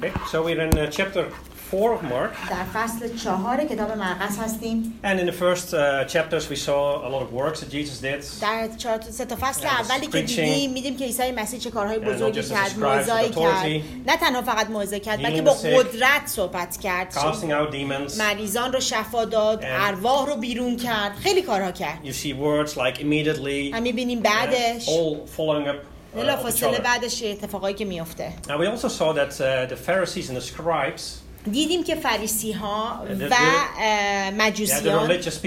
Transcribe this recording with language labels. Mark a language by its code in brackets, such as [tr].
[en] So we're in chapter 4 of Mark. [fa] در فصل 4 کتاب مرقس هستیم. [en] And in the first chapters we saw a lot of works that Jesus did. [fa] در سه تا فصل اولی که دیدیم میدیم که عیسی مسیح چه کارهای بزرگی کرد، موعظه کرد. نه تنها فقط موعظه کرد، بلکه با قدرت صحبت کرد. [en] Casting out demons. [fa] مریضان رو شفا داد، ارواح رو بیرون کرد. خیلی کارها کرد. [en] You see words like immediately. [fa] همین بینیم بعدش. [en] All following up. [fa] بلا فاصله بعدش اتفاقایی که میفته. [en] We also saw that the Pharisees and the scribes. [fa] دیدیم که فریسی ها و مجوسیان